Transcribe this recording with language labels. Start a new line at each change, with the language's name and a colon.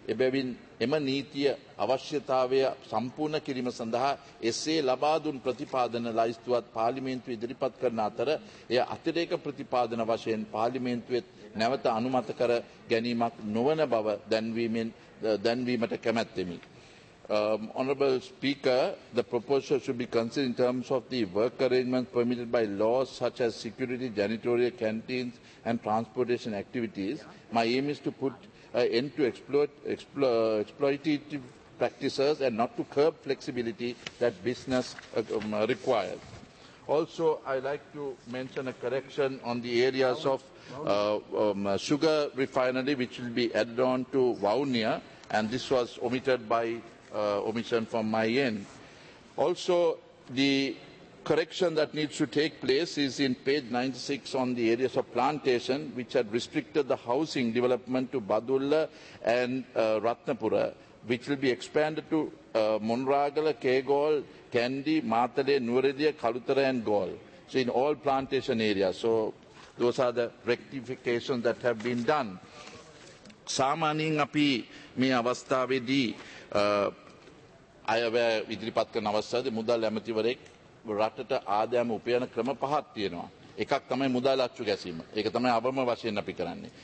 Sinhala: එබැවින් එම නීතිය අවශ්‍යතාවය සම්පූර්ණ කිරීම සඳහා එසේ ලබා දුන් ප්‍රතිපාදන ලයිස්තුවත් පාර්ලිමේන්තුවේ ඉදිරිපත් කරන අතර එය අතිරේක ප්‍රතිපාදන වශයෙන් පාර්ලිමේන්තුවේ නැවත අනුමත කර ගැනීමක් නොවන බව දැන්වීමට කැමැත්තෙමි.
English: Honorable Speaker, the proposal should be considered in terms of the work arrangements permitted by laws such as security, janitorial, canteens and transportation activities. My aim is to put an end to exploitative practices and not to curb flexibility that business requires. Also, I like to mention a correction on the areas of sugar refinery which will be added on to Vavuniya, and this was omitted by omission from my end. Also, the correction that needs to take place is in page 96 on the areas of plantation which had restricted the housing development to Badulla and Ratnapura, which will be expanded to Monragala, Kegol, Kandy, Matale, Nuredia, Kalutara and Gol. So in all plantation areas. So those are the rectifications that have been done.
Sinhala: Samanin api me avasthavedi අයවැය ඉදිරිපත් කරන අවස්ථාවේ මුදල් ඇමතිවරයෙක් රටට ආදායම උපයන ක්‍රම පහක් තියෙනවා. එකක් තමයි මුදල් අච්චු ගැසීම. ඒක තමයි අවම වශයෙන් අපි කරන්නේ.